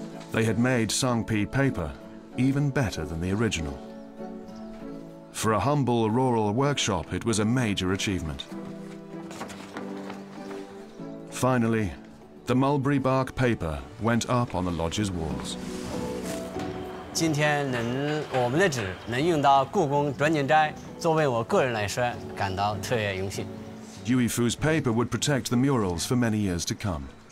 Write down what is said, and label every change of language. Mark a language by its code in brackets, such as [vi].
[en] They had made Songpi paper even better than the original. For a humble rural workshop, it was a major achievement. Finally, the mulberry bark paper went up on the lodge's walls. [zh] 今天我们的纸能用到故宫转经斋，作为我个人来说，感到特别荣幸。Yuifu's [en] paper would protect the murals for many years to come.